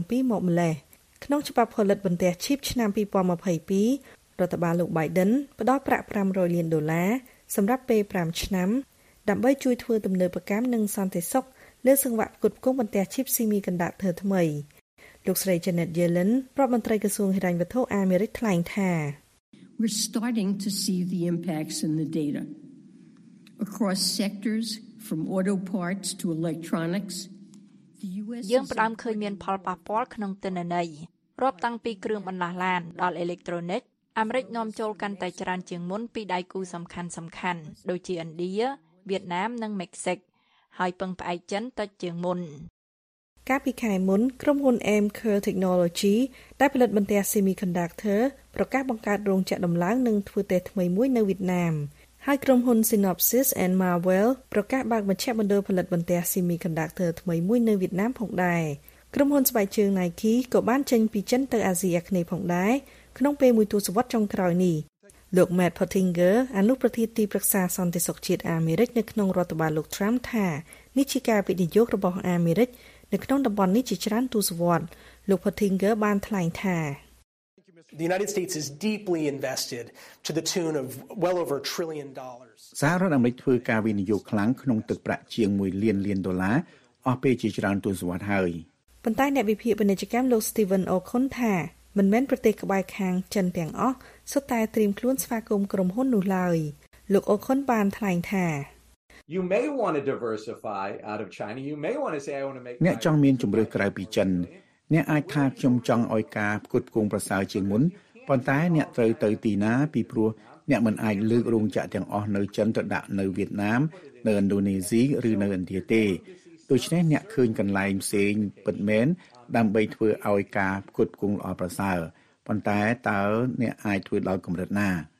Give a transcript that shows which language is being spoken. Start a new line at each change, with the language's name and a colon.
Khmer: មកម្លេះក្នុងច្បាប់ផលិតបន្ទះឈីបឆ្នាំ2022រដ្ឋបាលលោក Biden ផ្ដល់ប្រាក់$500,000,000សម្រាប់ពេល5ឆ្នាំដើម្បីជួយធ្វើទំនើបកម្មនិងសន្តិសុខលើសង្វាក់ផ្គត់ផ្គង់បន្ទះឈីបស៊ីមីកណ្ដាក់ធ្វើថ្មីលោកស្រី Janet Yellen ប្រធានមន្ត្រីក្រសួងហិរញ្ញវត្ថុអាមេរិកថ្លែងថា
English: We're starting to see the impacts in the data. across sectors from auto parts to electronics.
Khmer: យើងផ្ដើមឃើញមានផលប៉ះពាល់ក្នុងទិន្នន័យរាប់តាំងពីគ្រឿងបន្លាស់ឡានដល់អេឡិចត្រូនិកអាមេរិកនាំចូលកាន់តែច្រើនជាងមុនពីដៃគូសំខាន់ៗដូចជាឥណ្ឌាវៀតណាមនិងមិចស៊ិកហើយពឹងផ្អែកចិនតិចជាងមុន កាលពីខែមុនក្រុមហ៊ុន Amkor Technology ដែលផលិតបន្ទះ Semiconductor ប្រកាសបង្កើតរោងចក្រដំឡើងនិងធ្វើតេស្តថ្មីមួយនៅវៀតណាមហើយក្រុមហ៊ុន Synopsys and Marvell ប្រកាសបើកមជ្ឈមណ្ឌលផលិតបន្ទះ Semiconductor ថ្មីមួយនៅវៀតណាមផងដែរក្រុមហ៊ុនស្បែកជើង Nike ក៏បានចេញពីចិនទៅអាស៊ីអាគ្នេយ៍ផងដែរក្នុងពេលមួយទសវត្សរ៍ចុងក្រោយនេះ លោក Matt Pottinger អនុប្រធានទីប្រឹក្សាសន្តិសុខជាតិអាមេរិកនៅក្នុងរដ្ឋបាលលោក Trump ថានេះជាការវិនិយោគរបស់អាមេរិកនៅក្នុងតំបន់នេះជាច្រើនទសវត្សរ៍លោក Pottinger បានថ្លែងថា
English: The United States is deeply invested to the tune of well over $1 trillion.
Khmer: សហរដ្ឋអាមេរិកធ្វើការវិនិយោគខ្លាំងក្នុងទឹកប្រាក់ជាង1លានលានដុល្លារអស់ពេលជាច្រើនទសវត្សរ៍ហើយ ប៉ុន្តែអ្នកវិភាគពាណិជ្ជកម្មលោក Steven O'Con ថាមិនមែនប្រទេសក្បែរខាងចិនទាំងអស់សុទ្ធតែត្រៀមខ្លួនស្វាគមន៍ក្រុមហ៊ុននោះឡើយលោក O'Con បានថ្លែងថា
English: You may want to diversify out of China. You may want to say I want to make
Khmer: អ្នកចង់មានជំរើសក្រៅពីចិនអ្នកអាចថាខ្ញុំចង់ឲ្យការផ្គត់ផ្គង់ប្រសើរជាងមុនប៉ុន្តែអ្នកត្រូវទៅទីណាពីព្រោះអ្នកមិនអាចលើករោងចក្រទាំងអស់នៅចិនទៅដាក់នៅវៀតណាមនៅឥណ្ឌូនេស៊ីឬនៅឥណ្ឌាទេដូច្នេះអ្នកឃើញកន្លែងផ្សេងពិតមែនដើម្បីធ្វើឲ្យការផ្គត់ផ្គង់ល្អប្រសើរប៉ុន្តែតើអ្នកអាចធ្វើដល់កម្រិតណា